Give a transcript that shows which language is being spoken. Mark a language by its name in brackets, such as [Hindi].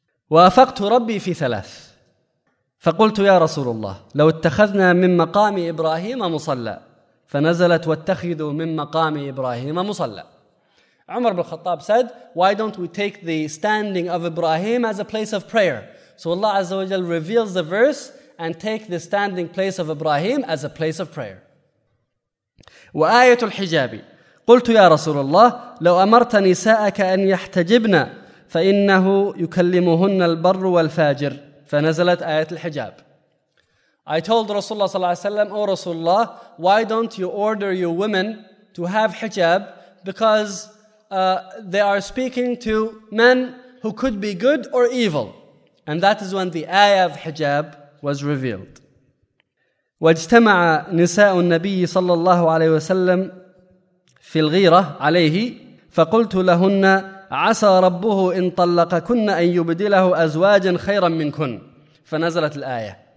[Arabic] وَأَفَقْتُ رَبِّي فِي ثَلَاثٍ فَقُلْتُ يَا رَسُولُ اللَّهِ لَوْ اتَّخَذْنَا مِنْ مَقَامِ إِبْرَاهِيمَ مُصَلَّى فَنَزَلَتْ وَاتَّخِذُوا مِنْ مَقَامِ إِبْرَاهِيمَ مُصَلَّى. [English] Umar bin Khattab said, why don't we take the standing of Ibrahim as a place of prayer? So Allah Azza wa Jal reveals the verse and take the standing place of Ibrahim as a place of prayer. [Arabic] وآية الحجاب قلت يا رسول الله لو أمرت نساءك أن يحتجبن فإنه يكلمهن البر والفاجر فنزلت آية الحجاب. [English] I told Rasulullah صلى الله عليه وسلم, O Rasulullah, why don't you order your women to have hijab, because they are speaking to men who could be good or evil. And that is when the ayah of hijab was revealed. [Arabic] واجتمع نساء النبي صلى الله عليه وسلم في الغيرة عليه فقلت لهن عسى ربه إن طلقكن أن يبدله أزواجا خيرا منكن فنزلت الآية.